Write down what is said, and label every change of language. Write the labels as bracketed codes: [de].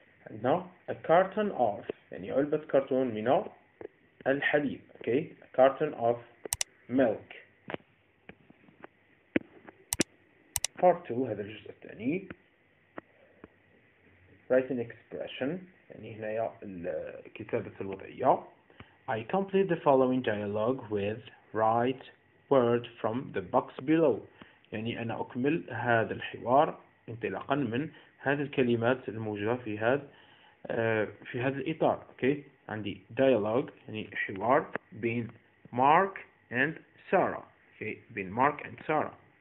[ar] عندنا [en] a carton of [ar] يعني علبة كرتون من الحليب. [en] okay a carton of milk. [ar] part 2 هذا الجزء الثاني [en] write an expression، [ar] يعني هنا كتابة الوضعية. [en] I complete the following dialogue with write word from the box below. [ar] يعني أنا أكمل هذا الحوار انطلاقا من هذه الكلمات الموجودة في هذا الإطار. okay عندي dialogue يعني حوار بين Mark and Sarah. Okay, بين Mark and Sarah.